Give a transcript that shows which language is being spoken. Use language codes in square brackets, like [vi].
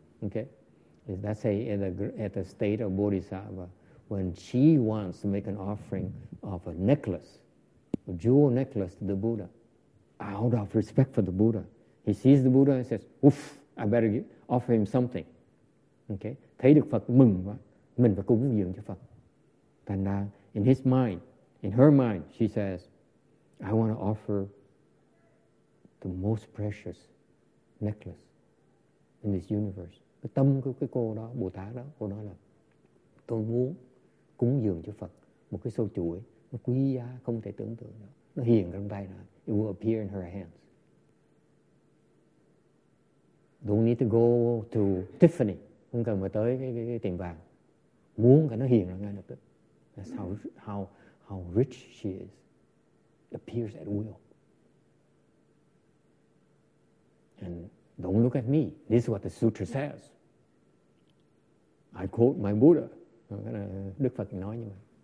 [en] Okay, let's say at the state of Bodhisattva, when she wants to make an offering of a necklace, a jewel necklace to the Buddha, out of respect for the Buddha, he sees the Buddha and says, "Oof, I better offer him something." [vi] Okay, thấy được Phật mừng quá, mình phải cúng dường cho Phật. Thành ra, [en] in her mind, she says, I want to offer the most precious necklace in this universe. [vi] Cái tâm của cái cô đó, Bồ Tát đó, cô nói là, tôi muốn cúng dường cho Phật một cái sâu chuỗi, nó quý giá, không thể tưởng tượng được. Nó hiện trong tay nó, [en] it will appear in her hands. Don't need to go to Tiffany. [vi] không cần phải tới cái tiệm vàng, muốn cái nó hiện ra ngay lập tức. [en] That's how rich she is, appears at will. And don't look at me. This is what the sutra says. I quote my Buddha. [vi] Đức Phật nói như vậy.